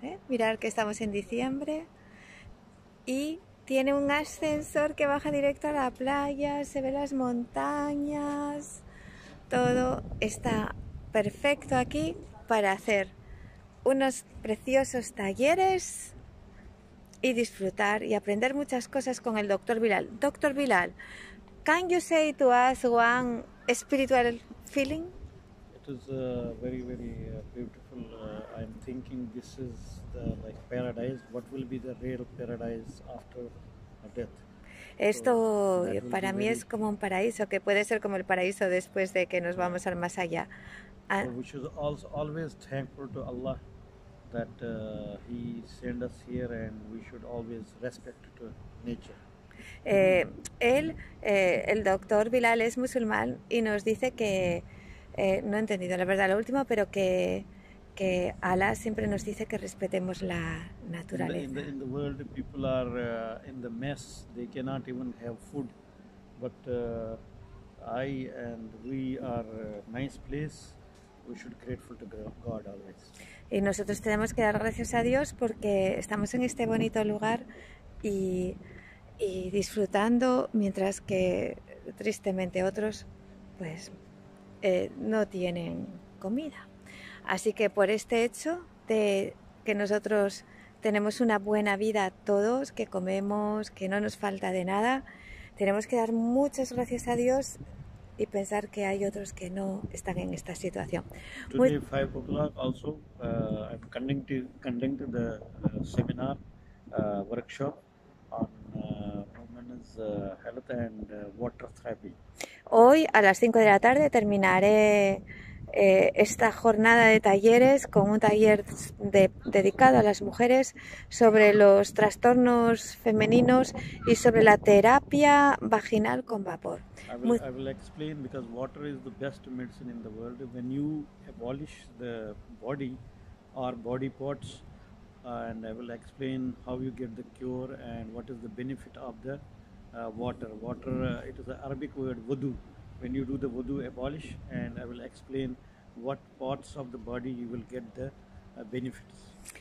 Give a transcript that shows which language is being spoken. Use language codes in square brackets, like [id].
[es] Mirad que estamos en diciembre y tiene un ascensor que baja directo a la playa, se ven las montañas, todo está perfecto aquí para hacer unos preciosos talleres y disfrutar y aprender muchas cosas con el doctor Bilal. [en] Doctor Bilal, can you say to us one spiritual feeling? It is very, very beautiful. I'm thinking this is the like paradise. What will be the real paradise after a death? So [es] Esto [en] that will be [es] para mí es [en] very [es] como un paraíso, que puede ser como el paraíso después de que nos vamos al más allá. [en] So we should also always thankful to Allah that He sent us here, and we should always respect to nature. [es] El doctor Bilal es musulmán y nos dice que, no he entendido la verdad lo último, pero que Alá siempre nos dice que respetemos la naturaleza. [en] In the world, people are in the mess. They cannot even have food. But I and we are a nice place. We should be grateful to God always. [es] Y nosotros tenemos que dar gracias a Dios porque estamos en este bonito lugar y disfrutando, mientras que tristemente otros pues no tienen comida. Así que por este hecho de que nosotros tenemos una buena vida todos, que comemos, que no nos falta de nada, tenemos que dar muchas gracias a Dios y pensar que hay otros que no están en esta situación. [en] Today 5 o'clock also I'm conducting the seminar workshop on women's health and water therapy. [es] Hoy a las 5 de la tarde terminaré esta jornada de talleres con un taller dedicado a las mujeres sobre los trastornos femeninos y sobre la terapia vaginal con vapor. [en] I will explain because water is the best medicine in the world. When you abolish the body or body parts, and I will explain how you get the cure and what is the benefit of the water. Water, it is an Arabic word, wudu. When you do the wudu, abolish, and I will explain what parts of the body you will get the benefits.